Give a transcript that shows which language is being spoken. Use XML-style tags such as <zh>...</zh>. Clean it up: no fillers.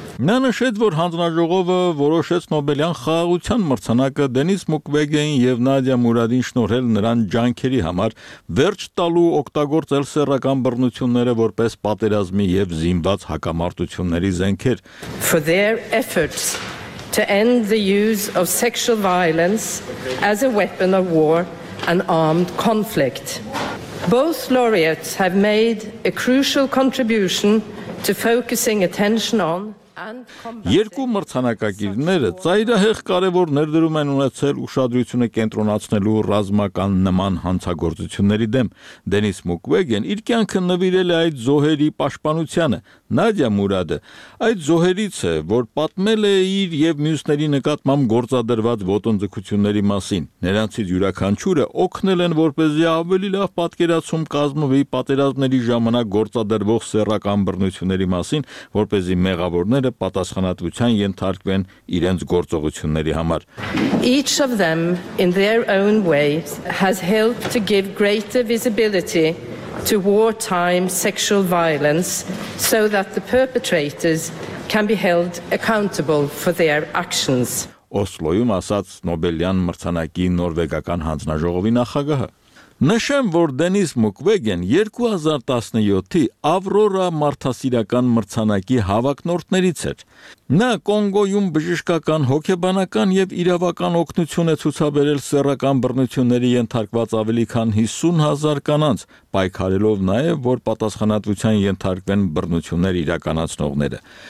<hy>Նա նշեց, որ հանձնաժողովը որոշեց Նոբելյան խաղաղության մրցանակը Դենիս Մուկվեգեին եւ Նադիա Մուրադին շնորհել նրան ջանքերի համար, վերջ տալու օգտագործել սեռական բռնությունները որպես պատերազմի եւ զինված հակամարտությունների զենքեր.</hy> <en>For their efforts to end the use of sexual violence as a weapon of war and armed conflict. Both laureates have made a crucial contribution to focusing attention on and combating.</en> <hy>Երկու մրցանակակիրները ծայրահեղ կարևոր ներդրում են ունեցել ուշադրությունը կենտրոնացնելու ռազմական նման հանցագործությունների դեմ։ Դենիս Մուկվեգեն իր կյանքը նվիրել է այդ զոհերի պաշտպանությանը։ Նադիա Մուրադը այդ զոհերից է, որ պատմել է իր եւ մյուսների նկատմամբ գործադրված ոտնձգությունների մասին։ Նրանցից յուրաքանչյուրը օգնել են, որպեսզի ավելի լավ պատկերացում կազմվի պատերազմների ժամանակ գործադրվող սեռական բռնությունների մասին, որպեսզի մեղավորները պատասխանատվության ենթարկվեն իրենց գործողությունների համար։</hy> <en>Each of them in their own way has helped to give greater visibility to wartime sexual violence so that the perpetrators can be held accountable for their actions.</en> <hy>Օսլոյում ասաց Նոբելյան մրցանակի նորվեգական հանձնաժողովի նախագահը։ Նշեմ, որ Դենիս Մուկվեգեն 2017-ի Ավրորա մարդասիրական մրցանակի հավակնորդներից էր։ Նա Կոնգոյում բժշկական, հոգեբանական եւ իրավական օգնություն է ցուցաբերել սեռական բռնությունների ենթարկված ավելի քան 50,000 կանանց, պայքարելով նաեւ, որ պատասխանատվության ենթարկվեն բռնություններ իրականացնողները։</hy>